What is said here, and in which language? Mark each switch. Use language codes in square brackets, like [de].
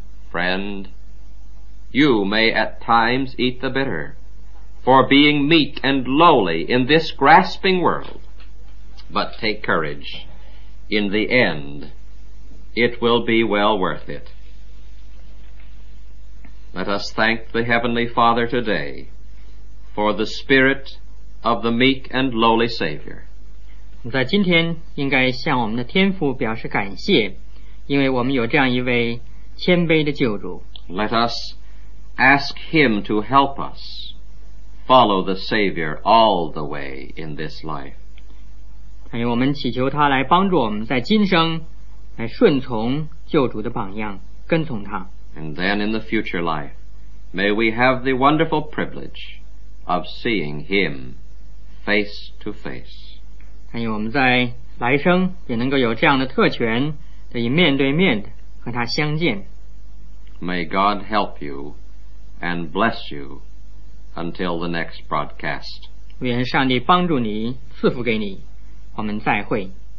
[en] Friend, you may at times eat the bitter for being meek and lowly in this grasping world, but take courage. In the end, it will be well worth it. Let us thank the Heavenly Father today for the spirit of the meek and lowly Savior. [zh] 在今天应该向我们的天父表示感谢，因为我们有这样一位谦卑的救主。 [en] Let us ask him to help us follow the Savior all the way in this life. [zh] 哎，我们祈求他来帮助我们在今生来顺从救主的榜样，跟从他。 [en] And then in the future life, may we have the wonderful privilege of seeing him face to face. [zh] 还有我们在来生也能够有这样的特权，得以面对面的和他相见。 [en] May God help you and bless you until the next broadcast. [zh] 愿上帝帮助你，赐福给你。我们再会。